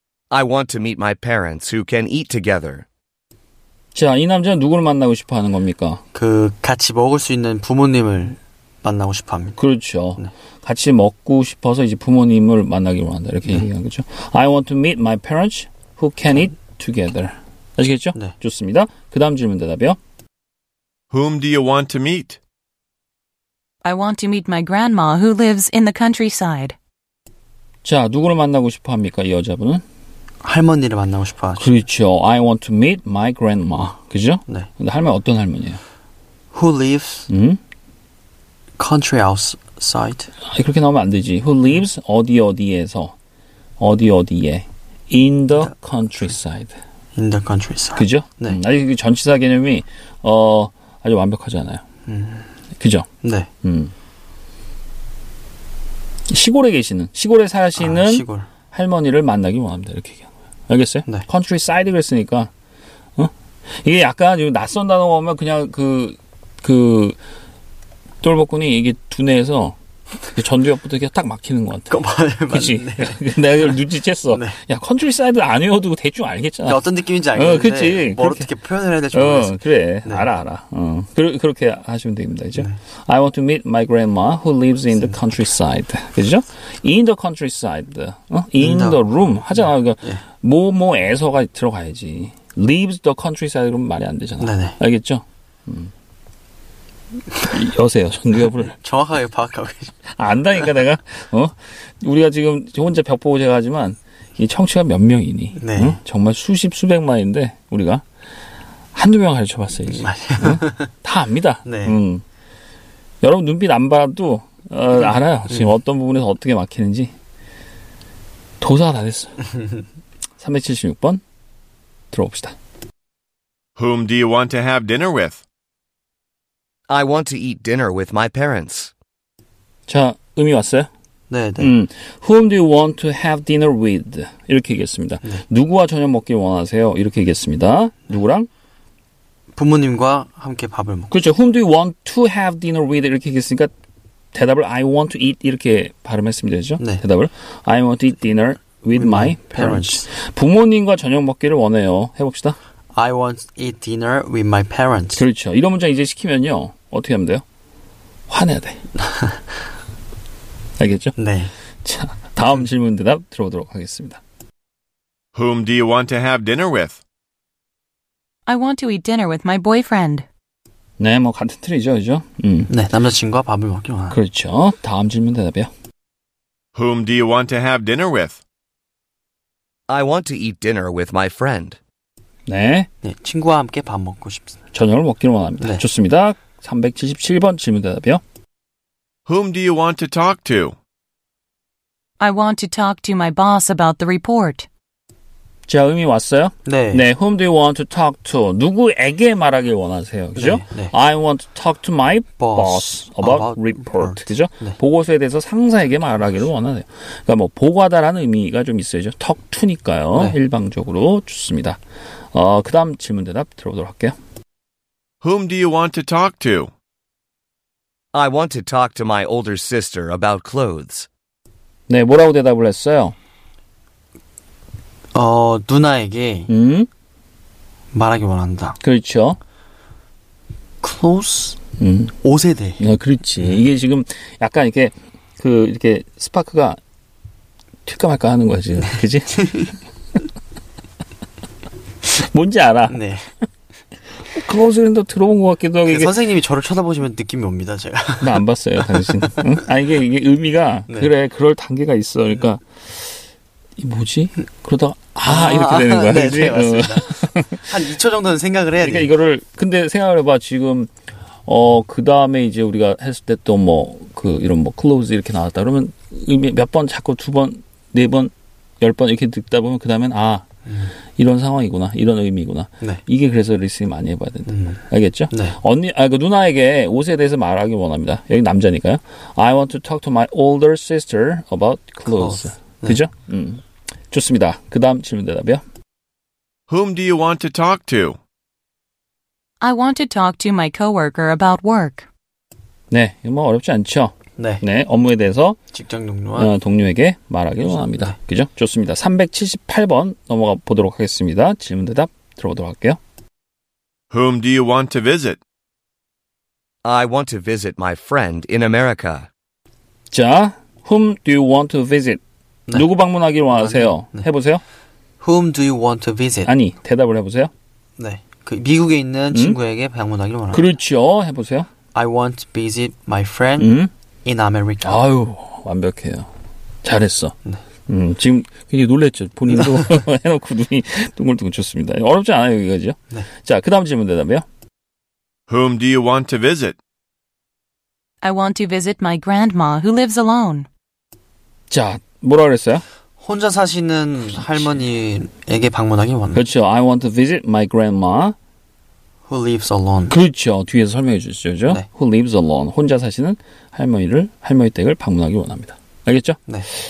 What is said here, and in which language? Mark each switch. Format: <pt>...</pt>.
<en>I want to meet my parents who can eat together.</en> <ko>자, 이 남자는 누구를 만나고 싶어 하는 겁니까? 그 같이 먹을 수 있는 부모님을 만나고 싶어 합니다. 그렇죠. 네. 같이 먹고 싶어서 이제 부모님을 만나기 원한다. 이렇게 얘기한 거죠.</ko> <en>I want to meet my parents who can eat together.</en> <ko>아시겠죠? 네. 좋습니다. 그 다음 질문 대답이요.</ko> <en>Whom do you want to meet? I want to meet my grandma who lives in the countryside.</en> <ko>자, 누구를 만나고 싶어 합니까, 이 여자분은? 할머니를 만나고 싶어 하죠. 그렇죠.</ko> <en>I want to meet my grandma.</en> <ko>그죠? 네. 근데 할머니 어떤 할머니예요?</ko> <en>Who lives country outside.</en> <ko>그렇게 나오면 안 되지.</ko> <en>Who lives</en> <ko>어디 어디에서. 어디 어디에.</ko> <en>In the countryside. In the countryside.</en> <ko>그죠? 네. 아니, 전치사 개념이 아주 완벽하지 않아요. 그죠? 네. 시골에 계시는, 시골에 사시는 시골. 할머니를 만나기 원합니다. 이렇게 얘기한 거예요. 알겠어요? 네. Countryside 그랬으니까. 이게 약간 낯선 단어 보면 그냥 그 똘복군이 이게 두뇌에서 전두엽부터 이렇게 딱 막히는 것 같아. 그치? 내가 이걸 눈치챘어. 네. 야, 컨트리사이드 아니어도 대충 알겠잖아. 어떤 느낌인지 알겠는데. 그치? 뭘 어떻게 표현을 해야 될지 모르겠어. 그래. 네. 알아, 알아. 그렇게 하시면 됩니다. 그죠? 네.</ko> <en>I want to meet my grandma who lives in the countryside.</en> <ko>그죠?</ko> <en>In the countryside. In the</en> <ko>room. 하잖아. 뭐뭐에서가 들어가야지.</ko> <en>Leaves the countryside</en> <ko>그러면 말이 안 되잖아. 네네. 알겠죠? 여세요. 누가 불러? 정확하게 파악하고 안다니까 내가. 어? 우리가 지금 혼자 벽 보고 제가지만 이 청취가 몇 명이니? 네. 응? 정말 수십 수백만인데 우리가 한두 명 가르쳐 봤어야지. 맞아요. 응? 다 압니다. 네. 여러분 눈빛 안 봐도 알아요. 지금 어떤 부분에서 어떻게 막히는지. 도사가 다 됐어. 376번 들어봅시다.</ko> <en>Whom do you want to have dinner with? I want to eat dinner with my parents.</en> <ko>자, 음이 왔어요? 네, 네.</ko> <en>Whom do you want to have dinner with?</en> <ko>이렇게 얘기했습니다. 네. 누구와 저녁 먹길 원하세요? 이렇게 얘기했습니다. 누구랑? 부모님과 함께 밥을 먹고. 그렇죠.</ko> <en>Whom do you want to have dinner with?</en> <ko>이렇게 얘기했으니까 대답을</ko> <en>I want to eat</en> <ko>이렇게 발음했으면 되죠. 네. 대답을</ko> <en>I want to eat dinner with my parents.</en> <ko>부모님과 저녁 먹기를 원해요. 해봅시다.</ko> <en>I want to eat dinner with my parents.</en> <ko>그렇죠. 이런 문장 이제 시키면요. 어떻게 하면 돼요? 화내야 돼. 알겠죠? 네. 자, 다음 질문 대답 들어보도록 하겠습니다.</ko> <en>Whom do you want to have dinner with? I want to eat dinner with my boyfriend.</en> <ko>네, 뭐 같은 틀이죠, 그죠? 네, 남자친구와 밥을 먹기 원하는. 그렇죠. 다음 질문 대답이요. Whom do you want to have dinner with? I want to eat dinner with my friend. 네. 네, 친구와 함께 밥 먹고 싶습니다. 저녁을 먹기를 원합니다. 네. 좋습니다. 377번 질문 대답이요.</ko> <en>Whom do you want to talk to? I want to talk to my boss about the report.</en> <ko>자, 음이 왔어요? 네.</ko> <en>네, whom do you want to talk to?</en> <ko>누구에게 말하길 원하세요? 그죠? 네, 네.</ko> <en>I want to talk to my boss about report.</en> <ko>그죠? 네. 보고서에 대해서 상사에게 말하기를 원하세요. 그러니까 뭐 보고하다라는 의미가 좀 있어야죠. talk to니까요. 네. 일방적으로 좋습니다. 그다음 질문 대답 들어보도록 할게요.</ko> <en>Whom do you want to talk to? I want to talk to my older sister about clothes.</en> <ko>네, 뭐라고 대답을 했어요? 누나에게 음? 말하기 원한다. 그렇죠. Clothes? 옷에 대해. 네, 그렇지. 이게 지금 약간 이렇게 그 이렇게 스파크가 튈까 말까 하는 거야 지금. 그렇지? 뭔지 알아. 네. 클로즈는 더 들어본 것 같기도 하고. 이게 선생님이 저를 쳐다보시면 느낌이 옵니다, 제가. 나 안 봤어요, 당신. 응? 아, 이게 의미가. 네. 그래, 그럴 단계가 있어. 그러니까, 이 뭐지? 그러다가, 이렇게 되는 거야. 네, 맞습니다. 한 2초 정도는 생각을 해야 그러니까 그러니까 이거를, 근데 생각을 해봐. 지금, 그 다음에 이제 우리가 했을 때 또 뭐, 그, 이런 뭐, 클로즈 이렇게 나왔다. 그러면 의미 몇 번, 자꾸 두 번, 네 번, 열 번 이렇게 듣다 보면 그 다음엔, 이런 상황이구나. 이런 의미구나. 네. 이게 그래서 리스닝 많이 해봐야 된다. 알겠죠? 네. 언니, 그 누나에게 옷에 대해서 말하기 원합니다. 여기 남자니까요.</ko> <en>I want to talk to my older sister about clothes.</en> <ko>네. 그죠? 좋습니다. 그 다음 질문 대답이요.</ko> <en>Whom do you want to talk to? I want to talk to my coworker about work.</en> <ko>네. 이거 뭐 어렵지 않죠? 네. 네. 업무에 대해서 직장 동료와 동료에게 말하기 원합니다. 네. 그죠? 좋습니다. 378번 넘어가 보도록 하겠습니다. 질문 대답 들어보도록 할게요.</ko> <en>Whom do you want to visit? I want to visit my friend in America. 자, whom do you want to visit?</en> <ko>네. 누구 방문하기를 원하세요? 네. 해보세요.</ko> <en>Whom do you want to visit?</en> <ko>아니, 대답을 해보세요. 네. 그 미국에 있는 친구에게 방문하기를 원합니다. 그렇죠. 해보세요.</ko> <en>I want to visit my friend. In America.</en> <ko>아유, 완벽해요. 잘했어. 네. 지금 굉장히 놀랬죠. 본인도 해놓고 눈이 둥글둥글 좋습니다. 어렵지 않아요, 여기까지요? 네. 자, 그 다음 질문 대답이요.</ko> <en>Whom do you want to visit? I want to visit my grandma who lives alone.</en> <ko>자, 뭐라 그랬어요? 혼자 사시는 그렇지. 할머니에게 방문하기 원합니다. 그렇죠.</ko> <en>I want to visit my grandma. Who lives alone.</en> <ko>그렇죠. 뒤에서 설명해 주시죠. 네.</ko> <en>Who lives alone.</en> <ko>혼자 사시는 할머니 댁을 방문하기 원합니다. 알겠죠? 네.</ko>